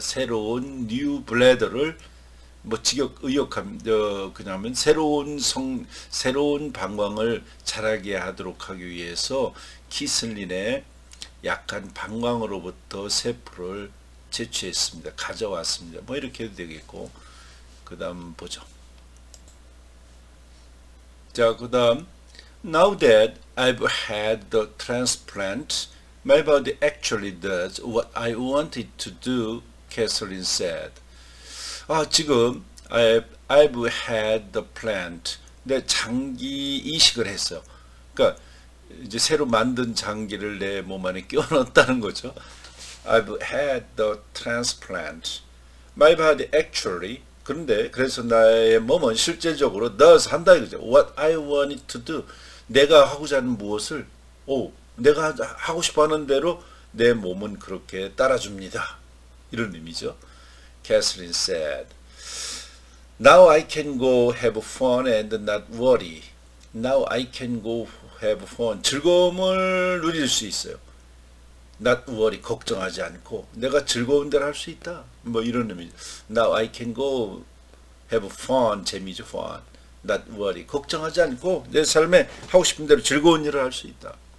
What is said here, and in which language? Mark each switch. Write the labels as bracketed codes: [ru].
[ko] 새로운 new bladder를 뭐 직역 의역함 그냥 하면 새로운 방광을 자라게 하도록 하기 위해서 키슬린의 약한 방광으로부터 세포를 채취했습니다. 가져왔습니다. 뭐 이렇게 해도 되겠고 그다음 보죠. 자, 그다음 [en] now that I've had the transplant. My body actually does what I want it to do, Catherine said. [ko] 아, 지금 [en] I've had the plant. [ko] 내 장기 이식을 했어요. 그러니까 이제 새로 만든 장기를 내몸 안에 끼워넣었다는 거죠. [en] I've had the transplant. My body actually. [ko] 그런데 그래서 나의 몸은 실제적으로 does 한다 이거죠. [en] What I want it to do. [ko] 내가 하고자 하는 무엇을, 오, 내가 하고 싶어 하는 대로 내 몸은 그렇게 따라줍니다. 이런 의미죠. [en] Catherine said, Now I can go have fun and not worry. Now I can go have fun. [ko] 즐거움을 누릴 수 있어요. [en] Not worry. [ko] 걱정하지 않고. 내가 즐거운 대로 할수 있다. 뭐 이런 의미죠. [en] Now I can go have fun. 재미죠, fun. Not worry. [ko] 걱정하지 않고 내 삶에 하고 싶은 대로 즐거운 일을 할수 있다.